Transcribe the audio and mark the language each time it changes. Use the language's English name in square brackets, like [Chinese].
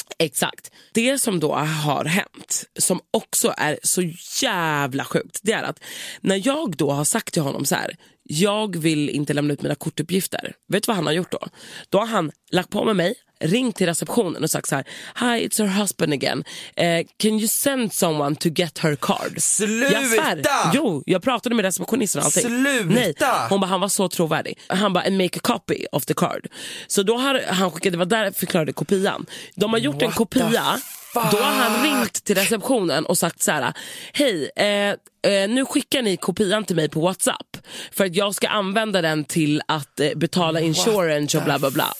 [Swedish] Exakt. Det som då har hänt, som också är så jävla sjukt, det är att när jag då har sagt till honom så här, jag vill inte lämna ut mina kortuppgifter. Vet du vad han har gjort då? Då har han lagt på med mig, ringt till receptionen och sagt så här: [English] "Hi, it's her husband again. Can you send someone to get her card?" [Swedish] Sluta! Jo, jag pratade med receptionisten och allting. Sluta! Nej. Hon bara, han var så trovärdig. Han bara, [English] and make a copy of the card. [Swedish] Så då har han skickat, det var där förklarade kopian. De har gjort [English] What [Swedish] en kopia. [English] Fuck? [Swedish] Då har han ringt till receptionen och sagt så här: "Hej, nu skickar ni kopian till mig på WhatsApp för att jag ska använda den till att betala insurance och bla bla bla."